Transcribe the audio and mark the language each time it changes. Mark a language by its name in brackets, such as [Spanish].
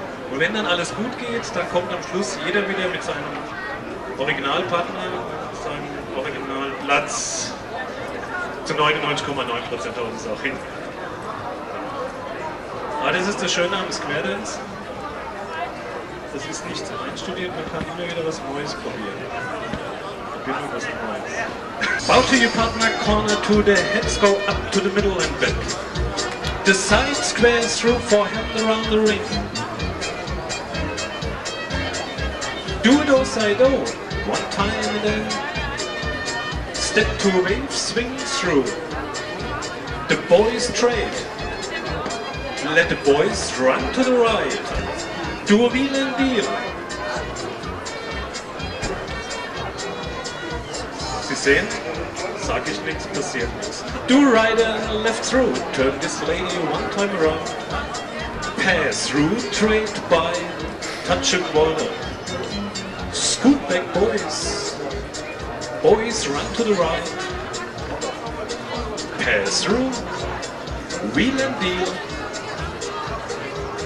[German] Und wenn dann alles gut geht, dann kommt am Schluss jeder wieder mit seinem Originalpartner und seinem Originalplatz zu 99,9% der Sache hin. Aber das ist das Schöne am Square Dance. Das ist nicht einstudiert, man kann immer wieder was Neues probieren. [English] Bow to your partner, corner to the heads, go up to the middle and back. The side square through, forehand around the ring. Do do si do, one time and then. Step to a wave, swing through. The boys trade. Let the boys run to the right. Do a wheel and deal. [German] Sehen, sage ich nichts, passiert nichts. [English] Do right and left through, turn this lady one time around. Pass through, trade by, touch a quarter. Scoot back, boys. Boys, run to the right. Pass through, wheel and deal.